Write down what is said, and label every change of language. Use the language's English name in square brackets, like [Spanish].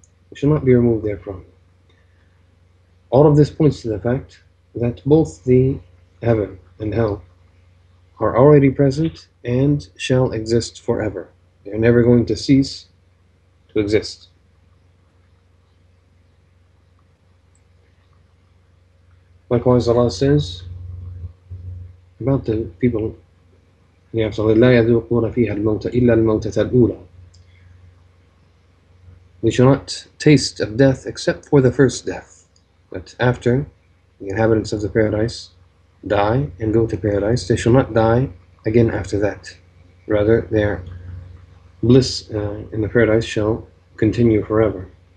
[English] They shall not be removed therefrom. All of this points to the fact that both the heaven and hell are already present and shall exist forever. They are never going to cease to exist. Likewise, Allah says about the people, [Arabic] لَا يَذُوقُونَ فِيهَا الْمَوْتَ إِلَّا الْمَوْتَةَ الْأُولَى. [English] They shall not taste of death except for the first death, but after the inhabitants of the paradise die and go to paradise, they shall not die again after that. Rather, their bliss in the paradise shall continue forever.